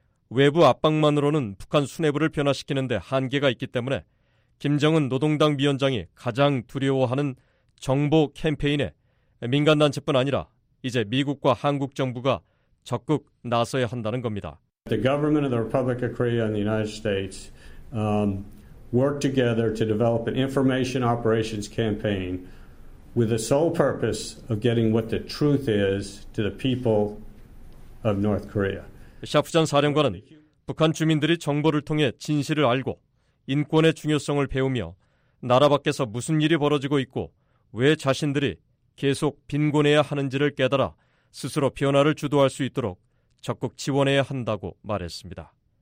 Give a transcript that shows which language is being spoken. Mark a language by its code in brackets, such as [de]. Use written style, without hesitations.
[ko] 외부 압박만으로는 북한 수뇌부를 변화시키는 데 한계가 있기 때문에 김정은 노동당 위원장이 가장 두려워하는 정보 캠페인에 민간단체뿐 아니라 이제 미국과 한국 정부가 적극 나서야 한다는 겁니다. [en] The government of the Republic of Korea and the United States work together to develop an information operations campaign with the sole purpose of getting what the truth is to the people of North Korea. [ko] 샤프 전 사령관은 북한 주민들이 정보를 통해 진실을 알고 인권의 중요성을 배우며 나라 밖에서 무슨 일이 벌어지고 있고 왜 자신들이 계속 빈곤해야 하는지를 깨달아 스스로 변화를 주도할 수 있도록 적극 지원해야 한다고 말했습니다.